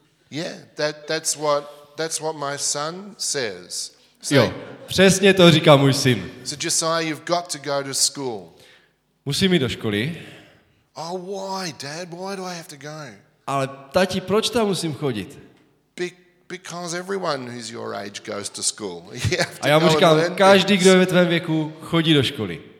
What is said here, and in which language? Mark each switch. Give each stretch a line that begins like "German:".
English: Yeah, that's what my son says.
Czech: So, jo, přesně to říká můj syn.
English: So Josiah, you've got to go to school.
Czech: Musím jít do školy.
English: Oh, why, Dad? Why do I have to go?
Czech: Ale tati, proč tam musím chodit?
English: Because everyone who's your age goes to school.
Czech: A já mu říkám, každý, kdo je ve tvém věku, chodí do školy.